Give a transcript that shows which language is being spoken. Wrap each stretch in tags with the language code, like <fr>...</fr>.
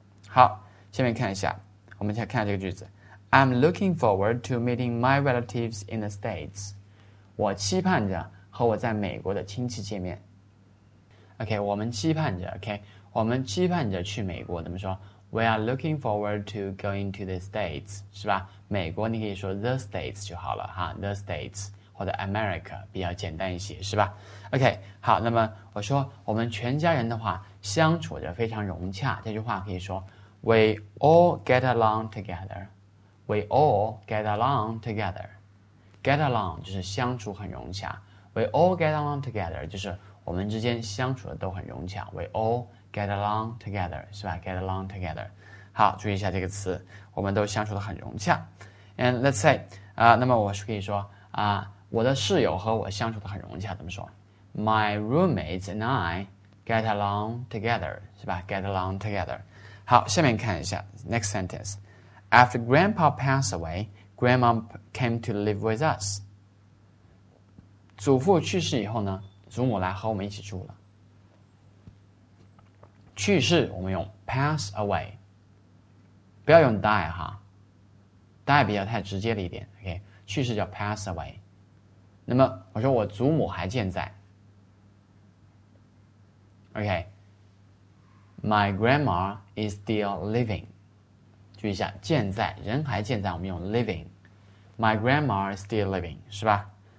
<zh>好，下面看一下，我们先看这个句子</zh> <en>：I'm looking forward to meeting my relatives in the States。</en> <zh>我期盼着和我在美国的亲戚见面。OK， 我们期盼着 ，OK， 我们期盼着去美国，怎么说？</zh> <en>We are looking forward to going to the States，</en> <zh>是吧？美国你可以说 the States 就好了哈 ，the States 或者 America 比较简单一些，是吧 ？OK， 好，那么我说我们全家人的话相处着非常融洽，这句话可以说</zh> <en>We all get along together，</en> <zh>We all get along together， get along 就是相处很融洽， We all get along together 就是我们之间相处的都很融洽， We all。</zh> <en>Get along together,</en> <zh>是吧</zh> <en>?Get along together.</en> <zh>好，注意一下这个词，我们都相处得很融洽。</zh> <en>And let's say,</en> <zh>那么我是可以说我的室友和我相处得很融洽，怎么说 ?</zh> <en>My roommates and I get along together,</en> <zh>是吧 ?Get along together. 好，下面看一下 ,</zh> <en>next sentence. After grandpa passed away, grandma came to live with us.</en> <zh>祖父去世以后呢，祖母来和我们一起住了。去世我们用 pass away， 不要用 die 哈， die 比较太直接了一点， OK， 去世叫 pass away。那么我说我祖母还健在， OK，</zh> <en>my grandma is still living，</en> <zh>注意一下健在，人还健在我们用 living， my grandma is still living， 是吧？</zh>